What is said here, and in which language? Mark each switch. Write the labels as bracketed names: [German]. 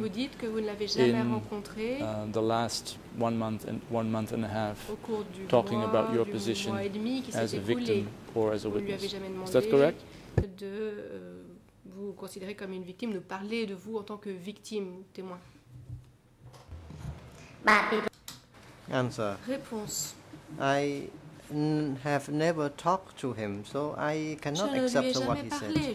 [French] vous dites que vous ne l'avez jamais rencontré [English] in the last 1 month and 1 month and a half [French] au cours du [English] talking [French] mois, [English] about your position as a victim or as a witness. Is that correct? [French] De vous considérer comme une victime, de parler de vous en tant que victime ou témoin. [English] Answer. [French] Réponse. [English] I have never talked to him, so I cannot accept what he said.